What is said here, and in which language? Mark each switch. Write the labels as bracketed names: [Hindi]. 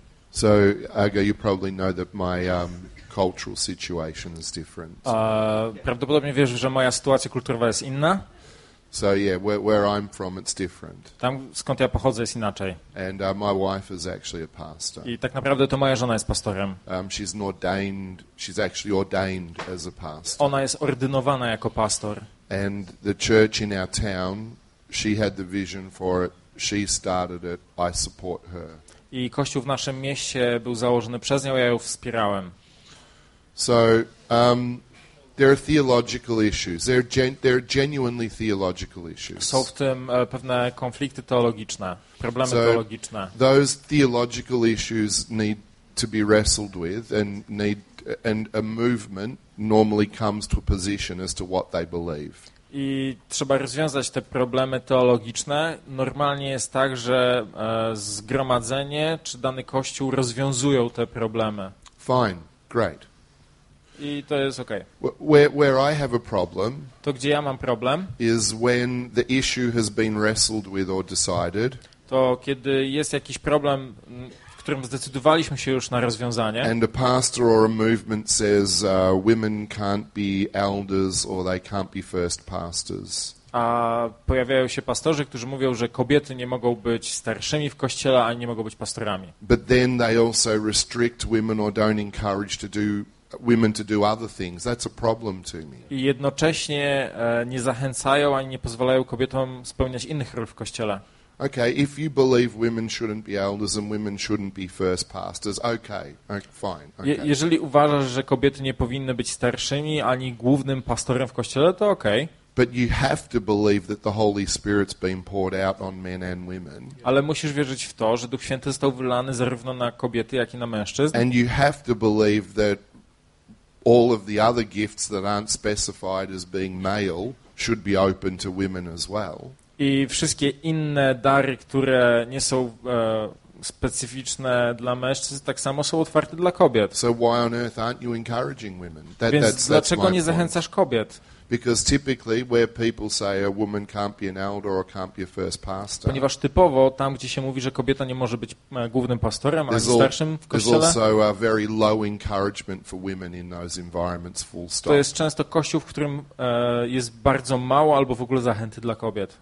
[English] So, Aga, you probably know that my cultural situation is different. [Polish] Prawdopodobnie wiesz, że moja sytuacja kulturowa jest inna. [English] So yeah, where I'm from, it's different. [Polish] Tam, skąd ja pochodzę, jest inaczej. [English] And my wife is actually a pastor. [Polish] I tak naprawdę to moja żona jest pastorem. [English] She's actually ordained as a pastor. [Polish] Ona jest ordynowana jako pastor. [English] And the church in our town, she had the vision for it. She started it. I support her. [Polish] I kościół w naszym mieście był założony przez nią, ja ją wspierałem. [English] So there are theological issues. There are genuinely theological issues. [Polish] Są w tym pewne konflikty teologiczne, problemy teologiczne. [English] Those theological issues need to be wrestled with and need and a movement normally comes to a position as to what they believe. [Polish] I trzeba rozwiązać te problemy teologiczne. Normalnie jest tak, że zgromadzenie czy dany kościół rozwiązują te problemy. [English] Fine, great. [Polish] I to jest okej. [English] Where I have a problem, [Polish] to gdzie ja mam problem, [English] is when the issue has been wrestled with or decided. [Polish] To kiedy jest jakiś problem, w którym zdecydowaliśmy się już na rozwiązanie. [English] And a pastor or a movement says women can't be elders or they can't be first pastors. [Polish] A pojawiają się pastorzy, którzy mówią, że kobiety nie mogą być starszymi w kościele, ani nie mogą być pastorami. [English] But then they also restrict women or don't encourage to do women to do other things. That's a problem to me. [Polish] I jednocześnie nie zachęcają ani nie pozwalają kobietom spełniać innych ról w kościele. [English] Okay, if you believe women shouldn't be elders and women shouldn't be first pastors, okay, fine. Okay. [Polish] Jeżeli uważasz, że kobiety nie powinny być starszymi ani głównym pastorem w kościele, to okay. [English] But you have to believe that the Holy Spirit's been poured out on men and women. [Polish] Ale musisz wierzyć w to, że Duch Święty został wylany zarówno na kobiety, jak i na mężczyzn. [English] And you have to believe that all of the other gifts that aren't specified as being male should be open to women as well. [Polish] I wszystkie inne dary, które nie są specyficzne dla mężczyzn, tak samo są otwarte dla kobiet. [English] So why on earth aren't you encouraging women? [Polish] Dlaczego nie zachęcasz kobiet? [English] Because typically where people say a woman can't be an elder or can't be a first pastor. [Polish] Ponieważ typowo tam, gdzie się mówi, że kobieta nie może być głównym pastorem, ani starszym w kościele. [English] There's also a very low encouragement for women in those environments, full stop. [Polish] To jest często kościół, w którym jest bardzo mało albo w ogóle zachęty dla kobiet.